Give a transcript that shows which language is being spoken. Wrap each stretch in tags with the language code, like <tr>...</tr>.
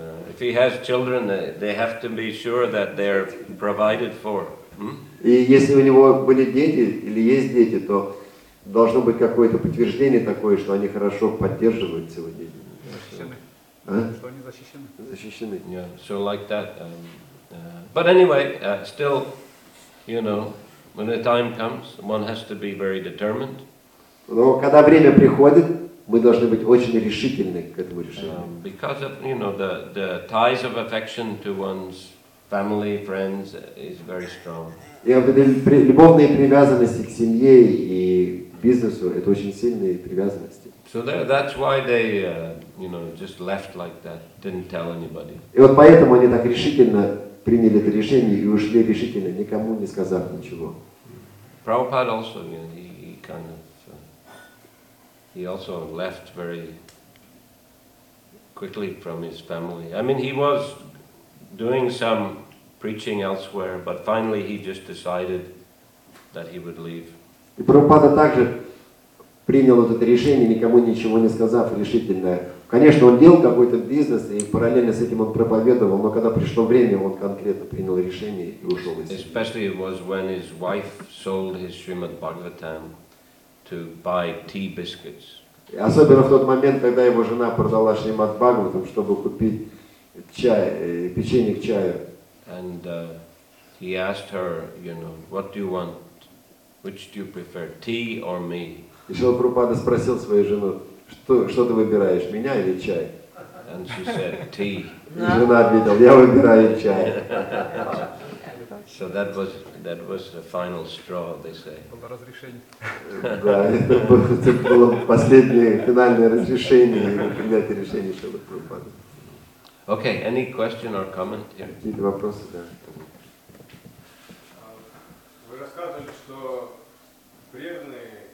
<en>If he has children, they have to be sure that they're provided for.</en> <ru>И если у него были дети или есть дети, то должно быть какое-то подтверждение такое, что они хорошо поддерживают своего дети. Что они защищены.</ru> <en>Yeah, so like that. But anyway, still, you know, when the time comes, one has to be very determined.</en> <ru>Но когда время приходит, мы должны быть очень решительны к этому решению.</ru> <en>Because of, you know, the ties of affection to one's family, friends is very strong.</en> <ru>И любовные привязанности к семье и бизнесу – это очень сильные привязанности.</ru> <en>So that's why they, you know, just left like that, didn't tell anybody.</en> <ru>И вот поэтому они так решительно приняли это решение и ушли решительно, никому не сказав ничего.</ru> <en>Prabhupada also, you know, he kind of, he also left very quickly from his family. I mean, he was doing some preaching elsewhere, but finally he just decided that he would leave.</en> <ru>И Прабхупада также принял это решение, никому ничего не сказав, решительно. Конечно, он делал какой-то бизнес, и параллельно с этим он проповедовал, но когда пришло время, он конкретно принял решение и ушел из семьи.</ru> <en>Especially it was when his wife sold his Srimad Bhagavatam to buy tea biscuits.</en> <ru>Особенно в тот момент, когда его жена продала Шримад Бхагаватам, чтобы купить чай, печенье к чаю.</ru> <en>And he asked her, you know, what do you want? Which do you prefer, tea or me?</en> <ru>И Шрила Прабхупада спросил свою жену, Что ты выбираешь, меня или чай?</ru> <en>And she said, tea.</en> <ru>И жена ответила, я выбираю чай.</ru> <en>So that was the final straw, they say.</en> <ru>Было разрешение. Да, это было последнее, финальное разрешение, принятие решения, чтобы пропадать.</ru> <en>Okay, any question or comment here?</en> <ru>Какие-то вопросы, да. Вы рассказывали, что преданные,</ru>